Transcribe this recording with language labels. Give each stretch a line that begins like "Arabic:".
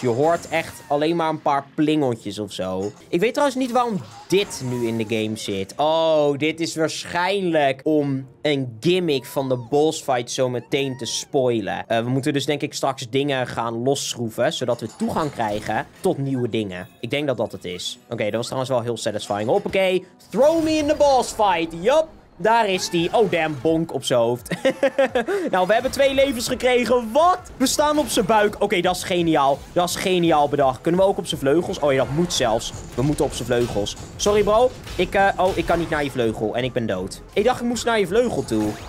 Dutch: Je hoort echt alleen maar een paar plingeltjes of zo. Ik weet trouwens niet waarom dit nu in de game zit. Oh, dit is waarschijnlijk om een gimmick van de boss fight zo meteen te spoilen. We moeten dus denk ik straks dingen gaan losschroeven, zodat we toegang krijgen tot nieuwe dingen. Ik denk dat dat het is. Oké, dat was trouwens wel heel satisfying.
English: Hoppakee, throw me in the boss fight.
Dutch: Yup. Daar is die. Oh, damn. Bonk op zijn hoofd. Nou, we hebben twee levens gekregen. Wat? We staan op zijn buik. Oké, dat is geniaal. Dat is geniaal bedacht. Kunnen we ook op zijn vleugels? Oh ja, dat moet zelfs. We moeten op zijn vleugels. Sorry, bro. Ik kan niet naar je vleugel. En ik ben dood. Ik dacht, ik moest naar je vleugel toe.